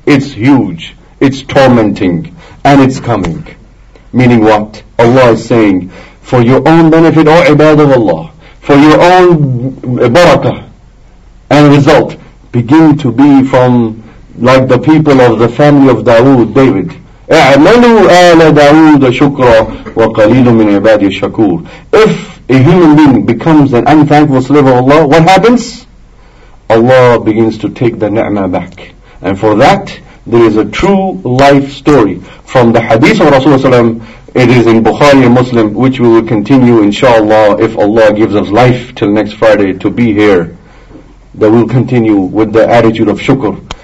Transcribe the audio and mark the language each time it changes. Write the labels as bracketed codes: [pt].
[en] It's huge. It's tormenting. And it's coming. Meaning what? Allah is saying, for your own benefit, O ibad of Allah, for your own barakah and result, begin to be from like the people of the family of Dawood, David. [ar] اعملوا آل داود شكرا وقليل من عبادي الشكور. [en] If a human being becomes an unthankful slave of Allah, what happens? Allah begins to take the ni'mah back. And for that, there is a true life story from the hadith of Rasulullah. It is in Bukhari and Muslim, which we will continue inshallah, if Allah gives us life till next Friday to be here, that we'll continue with the attitude of shukr.